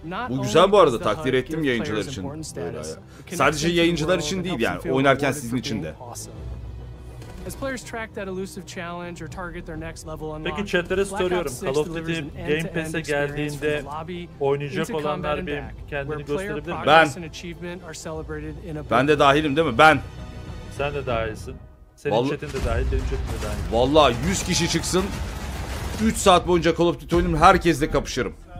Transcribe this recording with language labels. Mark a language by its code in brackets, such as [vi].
[tr] Bu güzel bu arada, takdir ettim yayıncılar için. Sadece yayıncılar için değil yani, oynarken sizin için de. [en] As players track that elusive challenge or target their next level unlock. [tr] Peki chatlere soruyorum. Call of Duty Game Pass'e geldiğinde oynayacak olanlar bir kendini gösterebilir mi? Ben de dahilim değil mi? Ben. Sen de dahilsin. Senin vallahi, chatin de dahil, benim chatim de dahil. Vallahi 100 kişi çıksın, 3 saat boyunca Call of Duty oynarım, herkesle kapışırım.